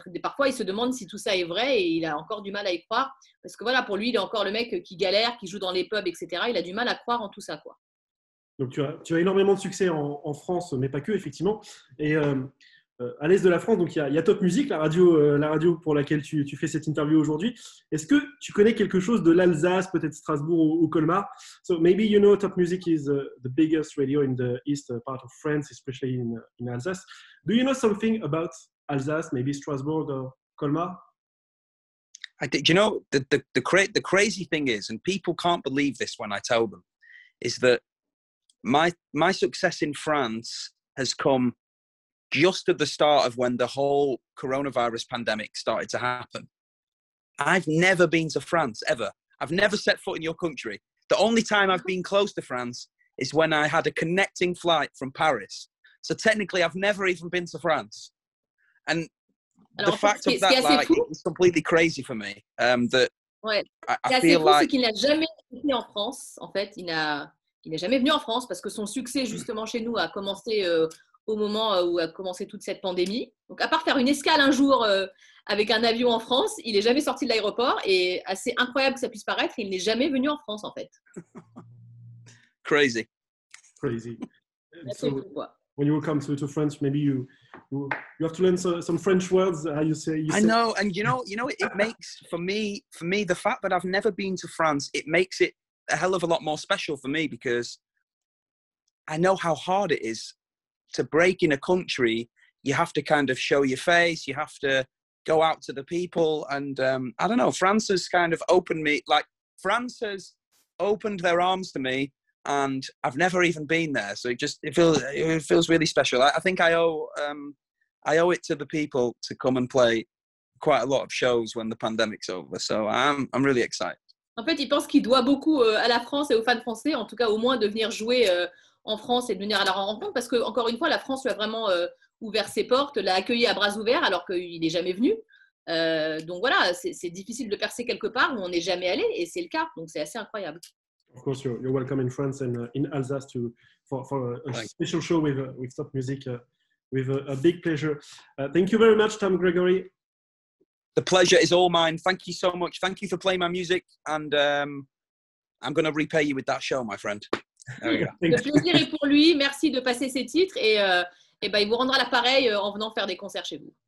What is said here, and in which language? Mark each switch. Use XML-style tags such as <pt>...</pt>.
<fr>Parfois il se demande si tout ça est vrai et il a encore du mal à y croire, parce que voilà, pour lui il est encore le mec qui galère, qui joue dans les pubs, etc. Il a du mal à croire en tout ça, quoi. Donc tu as énormément de succès en France, mais pas que, effectivement. Et à l'est de la France, donc il y a Top Music, la radio pour laquelle tu fais cette interview aujourd'hui. Est-ce que tu connais quelque chose de l'Alsace, peut-être Strasbourg ou Colmar?</fr> <en>So maybe you know Top Music is the biggest radio in the east part of France, especially in Alsace. Do you know something about Alsace, maybe Strasbourg or Colmar? I think, you know, the crazy thing is, and people can't believe this when I tell them, is that my success in France has come just at the start of when the whole coronavirus pandemic started to happen. I've never been to France, ever. I've never set foot in your country. The only time I've been close to France is when I had a connecting flight from Paris. So technically, I've never even been to France. And the fact of that, like, it was completely crazy for me. That</en> <fr>ouais. C'est assez fou, c'est qu'il n'a jamais été en France. En fait, il n'est jamais venu en France parce que son succès, justement, chez nous, a commencé au moment où a commencé toute cette pandémie. Donc, à part faire une escale un jour avec un avion en France, il n'est jamais sorti de l'aéroport. Et assez incroyable que ça puisse paraître, il n'est jamais venu en France, en fait.</fr> <en>Crazy. Crazy. So, when you will come to France, maybe you have to learn some French words, how you say. I know, and you know, it makes, for me, the fact that I've never been to France, it makes it a hell of a lot more special for me, because I know how hard it is to break in a country. You have to kind of show your face, you have to go out to the people, and I don't know, France has kind of opened me, like, France has opened their arms to me, and I've never even been there, so it feels really special. I think I owe it to the people to come and play quite a lot of shows when the pandemic's over, so I'm really excited.</en> <fr>En fait, il pense qu'il doit beaucoup à la France et aux fans français, en tout cas au moins de venir jouer en France et de venir à la rencontre, parce que encore une fois, la France lui a vraiment ouvert ses portes, l'a accueilli à bras ouverts alors qu'il n'est jamais venu. Donc voilà, c'est difficile de percer quelque part où on n'est jamais allé, et c'est le cas, donc c'est assez incroyable.</fr> <en>Of course, you're welcome in France and in Alsace for a special show with Top Music, with a big pleasure. Thank you very much, Tom Gregory. The pleasure is all mine. Thank you so much. Thank you for playing my music, and I'm going to repay you with that show, my friend.</en> <fr>Le plaisir est pour lui. Merci de passer ses titres, et ben, il vous rendra l'appareil en venant faire des concerts chez vous.</fr>